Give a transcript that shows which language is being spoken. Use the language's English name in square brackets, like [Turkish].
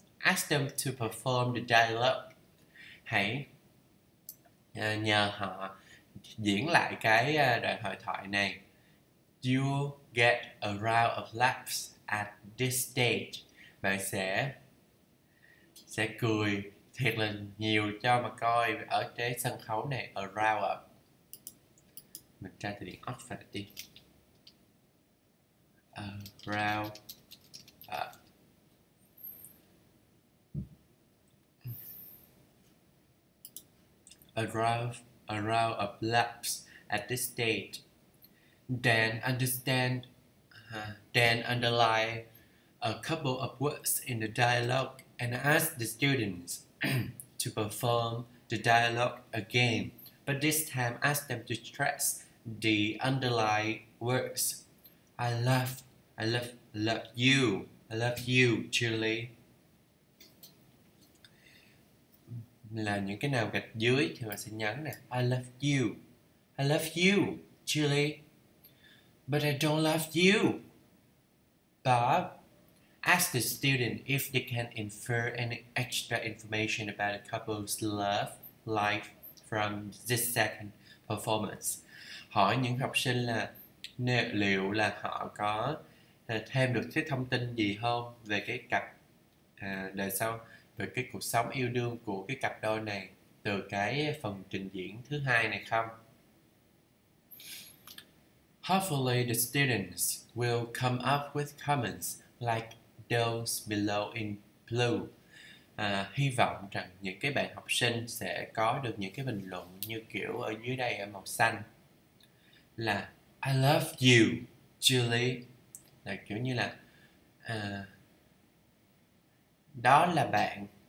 [English] Ask them to perform the dialogue. [Vietnamese] Hãy nhờ họ diễn lại cái đoạn hội thoại này. [English] You'll get a round of laughs at this stage. [Vietnamese] Bạn sẽ cười thiệt là nhiều cho mà coi ở cái sân khấu này. [English] A round of. [Vietnamese] Mình tra từ điển Oxford đi. [English] A round of. A round of laughs at this stage. Then understand, then underline a couple of words in the dialogue and ask the students to perform the dialogue again. But this time ask them to stress the underlying words. I love you, Julie. [Vietnamese] Là những cái nào gạch dưới thì mình sẽ nhấn nè. [English] I love you, Julie. But I don't love you, Bob. Ask the student if they can infer any extra information about a couple's love life from this second performance. [Vietnamese] Hỏi những học sinh là liệu là họ có thêm được cái thông tin gì không về cái cặp đời sau, về cái cuộc sống yêu đương của cái cặp đôi này từ cái phần trình diễn thứ hai này không? [English] Hopefully the students will come up with comments like those below in blue. [Vietnamese] Hy vọng rằng những cái bạn học sinh sẽ có được những cái bình luận như kiểu ở dưới đây ở màu xanh là [English] I love you, Julie. [Vietnamese] Là kiểu như là đó là bạn.